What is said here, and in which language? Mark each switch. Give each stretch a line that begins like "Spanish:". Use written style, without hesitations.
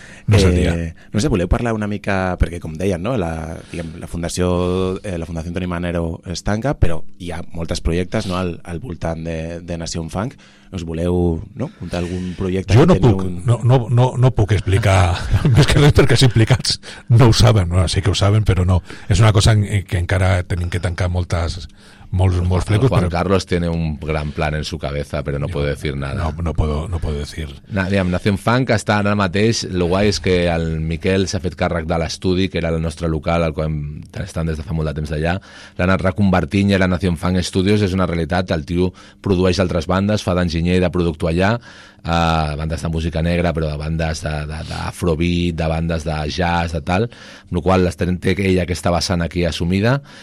Catalan: No sé, voleu parlar una mica, perquè com deien, no? La Fundació Toni Manero es tanca, però hi ha molts projectes, no? al voltant de Nació Funk. Us voleu, no? Contar algun projecte? Jo no puc explicar, més que res perquè els implicats no ho saben, no? Sí que ho saben, però no. És una cosa que encara tenim que tancar molts flecos.
Spanish: Juan Carlos tiene un gran plan en su cabeza, pero no puede decir nada. No puedo decir.
Catalan: Nadia, Nació Funk està ara mateix. Lo guai és que el Miquel s'ha fet càrrec de l'estudi, que era el nostre local, el qual estan des de fa molt de temps d'allà. L'han anat reconvertint i ara Nació Funk Studios és una realitat. El tio produeix altres bandes, fa d'enginyer i de productor allà, bandes de música negra, però de bandes d'afrobeat, de bandes de jazz, de tal, amb la qual cosa té ella aquesta vessant aquí assumida.